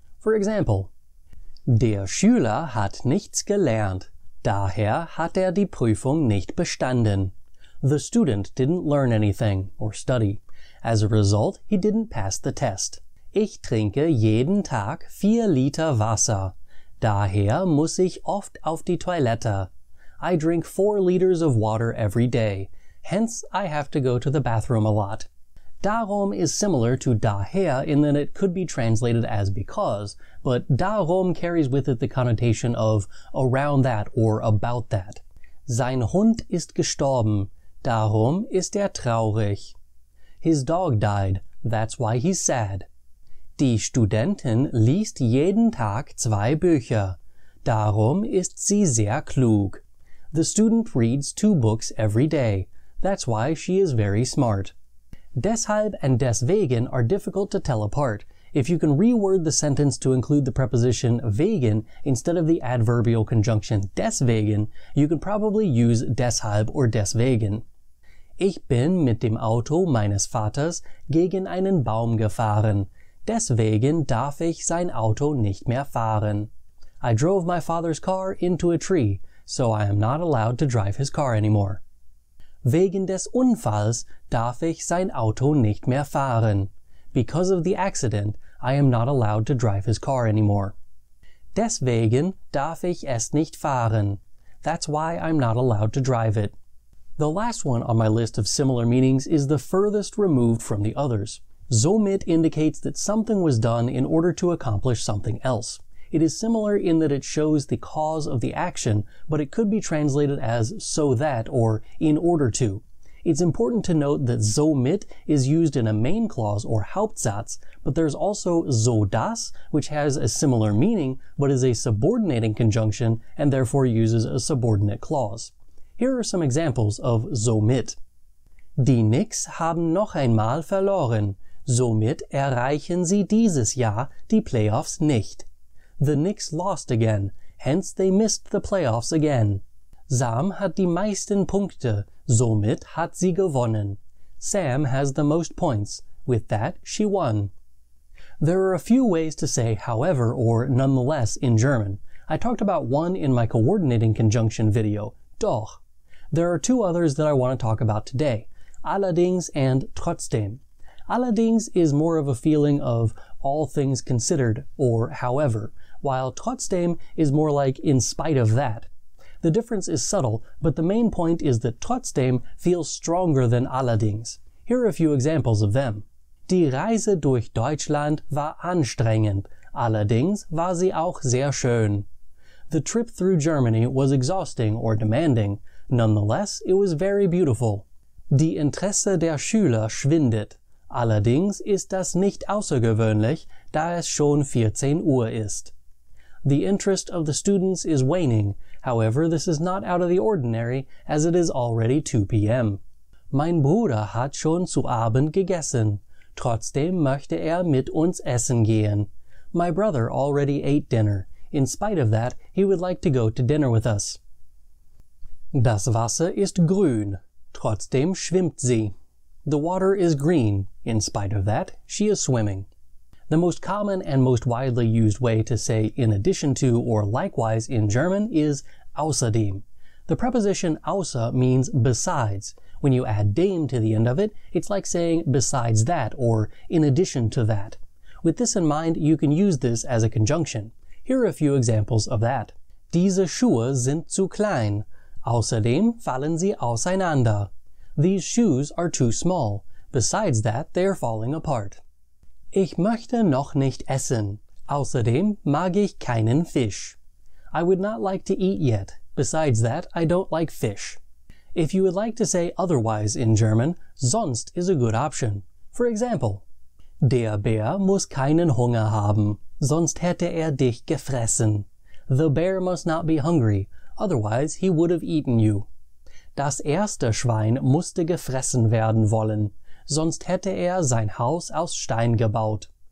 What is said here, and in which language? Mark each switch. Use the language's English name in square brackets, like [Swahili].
[English] For example, [German] Der Schüler hat nichts gelernt, daher hat die Prüfung nicht bestanden. [English] The student didn't learn anything, or study. As a result, he didn't pass the test. [German] Ich trinke jeden Tag 4 Liter Wasser. Daher muss ich oft auf die Toilette. [English] I drink 4 liters of water every day. Hence, I have to go to the bathroom a lot. Darum is similar to daher in that it could be translated as because, but darum carries with it the connotation of around that or about that. [German] Sein Hund ist gestorben, darum ist traurig. [English] His dog died, that's why he's sad. [German] Die Studentin liest jeden Tag 2 Bücher, darum ist sie sehr klug. [English] The student reads 2 books every day, that's why she is very smart. Deshalb and deswegen are difficult to tell apart. If you can reword the sentence to include the preposition wegen instead of the adverbial conjunction deswegen, you can probably use deshalb or deswegen. [German] Ich bin mit dem Auto meines Vaters gegen einen Baum gefahren. Deswegen darf ich sein Auto nicht mehr fahren. [English] I drove my father's car into a tree, so I am not allowed to drive his car anymore. [German] Wegen des Unfalls darf ich sein Auto nicht mehr fahren. [English] Because of the accident, I am not allowed to drive his car anymore. [German] Deswegen darf ich es nicht fahren. [English] That's why I'm not allowed to drive it. The last one on my list of similar meanings is the furthest removed from the others. Somit indicates that something was done in order to accomplish something else. It is similar in that it shows the cause of the action, but it could be translated as so that or in order to. It's important to note that somit is used in a main clause or Hauptsatz, but there's also so das, which has a similar meaning, but is a subordinating conjunction and therefore uses a subordinate clause. Here are some examples of somit. [German] Die Nix haben noch einmal verloren. Somit erreichen sie dieses Jahr die Playoffs nicht. [English] The Knicks lost again, hence they missed the playoffs again. [German] Sam hat die meisten Punkte, somit hat sie gewonnen. [English] Sam has the most points, with that she won. There are a few ways to say however or nonetheless in German. I talked about one in my coordinating conjunction video, doch. There are 2 others that I want to talk about today, allerdings and trotzdem. Allerdings is more of a feeling of all things considered or however, while trotzdem is more like in spite of that. The difference is subtle, but the main point is that trotzdem feels stronger than allerdings. Here are a few examples of them. [German] Die Reise durch Deutschland war anstrengend, allerdings war sie auch sehr schön. [English] The trip through Germany was exhausting or demanding, nonetheless it was very beautiful. [German] Die Interesse der Schüler schwindet, allerdings ist das nicht außergewöhnlich, da es schon 14 Uhr ist. [English] The interest of the students is waning, however this is not out of the ordinary, as it is already 2 p.m. [German] Mein Bruder hat schon zu Abend gegessen, trotzdem möchte mit uns essen gehen. [English] My brother already ate dinner, in spite of that he would like to go to dinner with us. [German] Das Wasser ist grün, trotzdem schwimmt sie. [English] The water is green, in spite of that she is swimming. The most common and most widely used way to say in addition to or likewise in German is außerdem. The preposition außer means besides. When you add dem to the end of it, it's like saying besides that or in addition to that. With this in mind, you can use this as a conjunction. Here are a few examples of that. [German] Diese Schuhe sind zu klein. Außerdem fallen sie auseinander. [English] These shoes are too small. Besides that, they are falling apart. [German] Ich möchte noch nicht essen. Außerdem mag ich keinen Fisch. [English] I would not like to eat yet. Besides that, I don't like fish. If you would like to say otherwise in German, sonst is a good option. For example, [German] der Bär muss keinen Hunger haben, sonst hätte dich gefressen. [English] The bear must not be hungry, otherwise he would have eaten you. [German] Das erste Schwein musste gefressen werden wollen, sonst hätte sein Haus aus Stein gebaut.